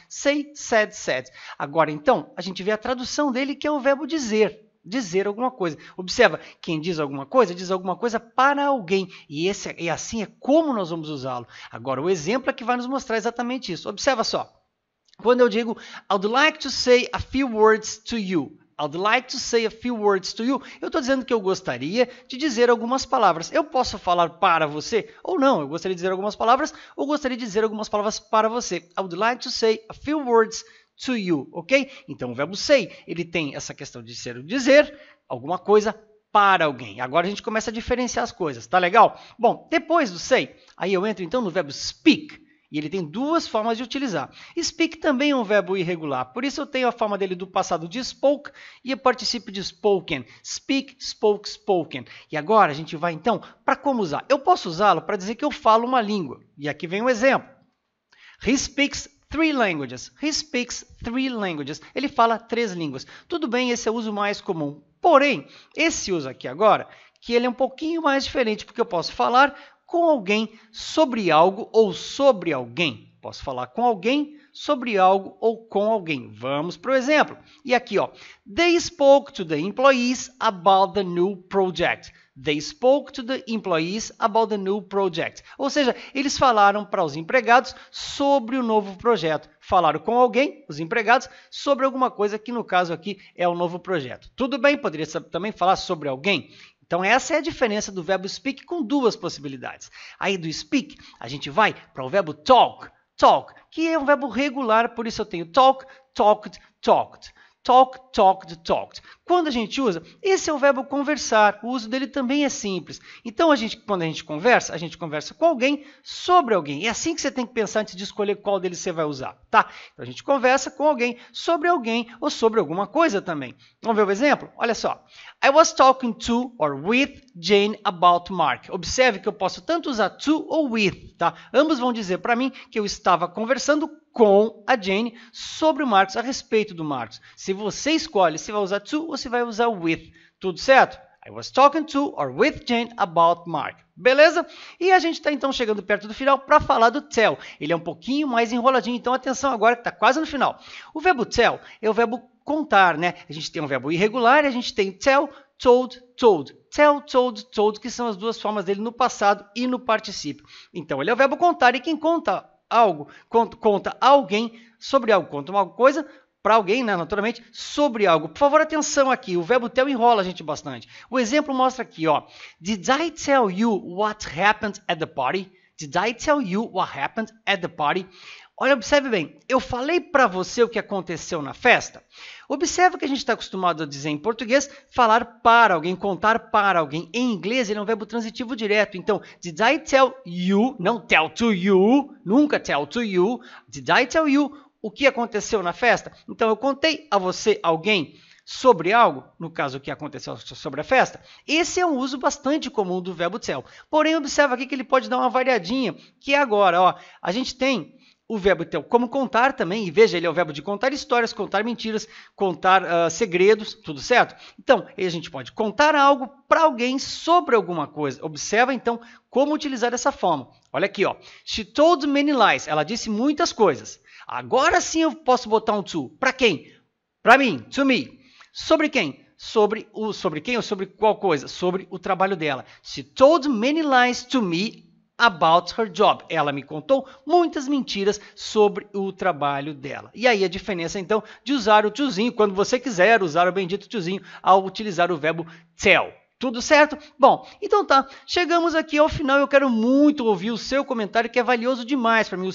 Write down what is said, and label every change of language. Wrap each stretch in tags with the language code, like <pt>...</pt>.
<en>Say, said, said.</en> <pt>Agora, então, a gente vê a tradução dele, que é o verbo dizer. Dizer alguma coisa. Observa, quem diz alguma coisa para alguém. E assim é como nós vamos usá-lo. Agora, o exemplo é que vai nos mostrar exatamente isso. Observa só. Quando eu digo,</pt> <en>I'd like to say a few words to you. I'd like to say a few words to you.</en> <pt>Eu estou dizendo que eu gostaria de dizer algumas palavras. Eu posso falar para você ou não. Eu gostaria de dizer algumas palavras ou gostaria de dizer algumas palavras para você.</pt> <en>I'd like to say a few words to you, ok?</en> <pt>Então o verbo say, ele tem essa questão de ser o dizer alguma coisa para alguém. Agora a gente começa a diferenciar as coisas, tá legal? Bom, depois do say, aí eu entro então no verbo speak, e ele tem duas formas de utilizar. Speak também é um verbo irregular, por isso eu tenho a forma dele do passado de spoke e o participio de spoken.</pt> <en>Speak, spoke, spoken.</en> <pt>E agora a gente vai então para como usar. Eu posso usá-lo para dizer que eu falo uma língua. E aqui vem um exemplo.</pt> <en>He speaks three languages. He speaks three languages.</en> <pt>Ele fala três línguas. Tudo bem, esse é o uso mais comum. Porém, esse uso aqui agora, que ele é um pouquinho mais diferente, porque eu posso falar com alguém sobre algo ou sobre alguém. Posso falar com alguém sobre algo ou com alguém. Vamos para o exemplo. E aqui, ó.</pt> <en>They spoke to the employees about the new project. They spoke to the employees about the new project.</en> <pt>Ou seja, eles falaram para os empregados sobre o novo projeto. Falaram com alguém, os empregados, sobre alguma coisa que no caso aqui é o novo projeto. Tudo bem, poderia também falar sobre alguém. Então essa é a diferença do verbo speak com duas possibilidades. Aí do speak, a gente vai para o verbo talk. Talk, que é um verbo regular, por isso eu tenho talk, talked, talked.</pt> <en>Talk, talked, talked.</en> <pt>Quando a gente usa, esse é o verbo conversar. O uso dele também é simples. Então, quando a gente conversa, a gente conversa com alguém sobre alguém. É assim que você tem que pensar antes de escolher qual deles você vai usar, tá? Então, a gente conversa com alguém ou sobre alguma coisa também. Vamos ver o exemplo? Olha só.</pt> <en>I was talking to or with Jane about Mark.</en> <pt>Observe que eu posso tanto usar to ou with, tá? Ambos vão dizer para mim que eu estava conversando com a Jane sobre o Marcos, a respeito do Marcos. Se você escolhe se vai usar to ou se vai usar with, tudo certo?</pt> <en>I was talking to or with Jane about Mark.</en> <pt>Beleza? E a gente está então chegando perto do final para falar do tell. Ele é um pouquinho mais enroladinho, então atenção agora que está quase no final. O verbo tell é o verbo contar, né? A gente tem um verbo irregular e a gente tem tell, told, told.</pt> <en>Tell, told, told,</en> <pt>que são as duas formas dele no passado e no particípio. Então ele é o verbo contar e quem conta algo, conta alguém sobre algo, conta uma coisa para alguém, né? Naturalmente, sobre algo. Por favor, atenção aqui, o verbo tell enrola a gente bastante. O exemplo mostra aqui, ó.</pt> <en>Did I tell you what happened at the party? Did I tell you what happened at the party?</en> <pt>Olha, observe bem, eu falei para você o que aconteceu na festa? Observe que a gente está acostumado a dizer em português, falar para alguém, contar para alguém. Em inglês, ele é um verbo transitivo direto. Então,</pt> <en>did I tell you,</en> <pt>não</pt> <en>tell to you,</en> <pt>nunca tell to you, did I tell you o que aconteceu na festa? Então, eu contei a você, alguém, sobre algo, no caso, o que aconteceu sobre a festa. Esse é um uso bastante comum do verbo tell. Porém, observa aqui que ele pode dar uma variadinha, que é agora, ó, a gente tem o verbo tell como contar também, e veja, ele é o verbo de contar histórias, contar mentiras, contar segredos, tudo certo? Então, aí a gente pode contar algo para alguém sobre alguma coisa. Observa, então, como utilizar dessa forma. Olha aqui, ó.</pt> <en>She told many lies.</en> <pt>Ela disse muitas coisas. Agora sim eu posso botar um to. Para quem? Para mim.</pt> <en>To me.</en> <pt>Sobre quem? Sobre quem ou sobre qual coisa? Sobre o trabalho dela.</pt> <en>She told many lies to me about her job.</en> <pt>Ela me contou muitas mentiras sobre o trabalho dela. E aí a diferença, então, de usar o tiozinho, quando você quiser usar o bendito tiozinho, ao utilizar o verbo tell. Tudo certo? Bom, então tá. Chegamos aqui ao final e eu quero muito ouvir o seu comentário, que é valioso demais para mim.</pt>